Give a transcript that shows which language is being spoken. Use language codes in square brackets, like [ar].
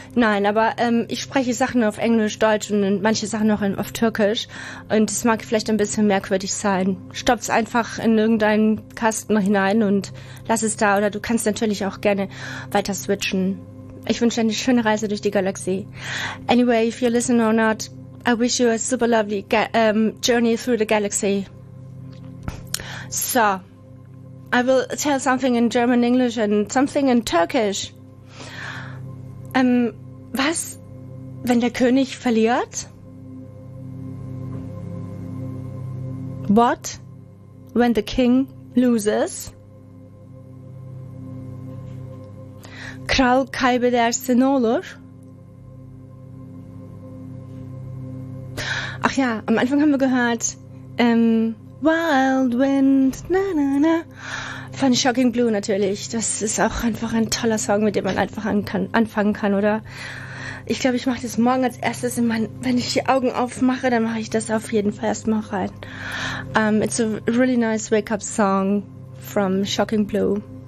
[de] Nein, aber ich spreche Sachen auf Englisch, Deutsch und manche Sachen auch auf Türkisch. Und es mag vielleicht ein bisschen merkwürdig sein. Stopp es einfach in irgendeinen Kasten hinein und lass es da. Oder du kannst natürlich auch gerne weiter switchen. Ich wünsche dir eine schöne Reise durch die Galaxie. [en] Anyway, if you're listening or not, I wish you a super lovely journey through the galaxy. So, I will tell something in German, English and something in Turkish. [de] Was, wenn der König verliert? [en] What, when the king loses? [tr] kral kaybederse ne olur? [de] Ach ja, am Anfang haben wir gehört, Wild Wind, na na na, von Shocking Blue natürlich. Das ist auch einfach ein toller Song, mit dem man einfach anfangen kann, oder? Ich glaube, ich mache das morgen als erstes in meinen, wenn ich die Augen aufmache, dann mache ich das auf jeden Fall erstmal rein. [en] It's a really nice wake-up song from Shocking Blue.